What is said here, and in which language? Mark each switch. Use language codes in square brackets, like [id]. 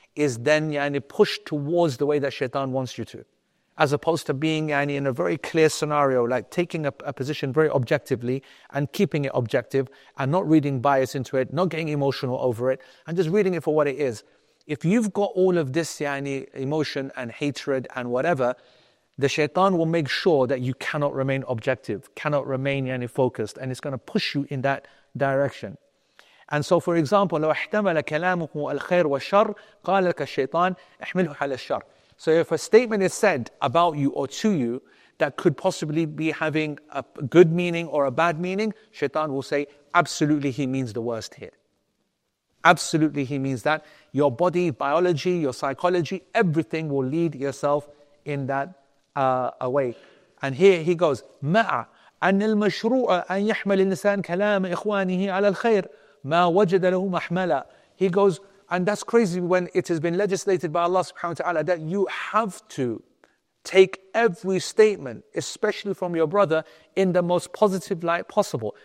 [en] is then yani pushed towards the way that shaitan wants you to, as opposed to being yani in a very clear scenario, like taking a position very objectively and keeping it objective and not reading bias into it, not getting emotional over it, and just reading it for what it is. If you've got all of this yani emotion and hatred and whatever, the shaitan will make sure that you cannot remain objective, cannot remain yani focused, and it's going to push you in that direction. And so, for example, [ar] لو احتمل كلامه الخير والشر قال لك الشيطان احمله على الشر. [en] So if a statement is said about you or to you that could possibly be having a good meaning or a bad meaning, shaitan will say, absolutely he means the worst here. Absolutely he means that. Your body, biology, your psychology, everything will lead yourself in that way. And here he goes, [ar] مع أن المشروع أن يحمل الإنسان كلام إخوانه على الخير ما وجد له محملا. [en] He goes, and that's crazy when it has been legislated by Allah subhanahu wa ta'ala that you have to take every statement, especially from your brother, in the most positive light possible.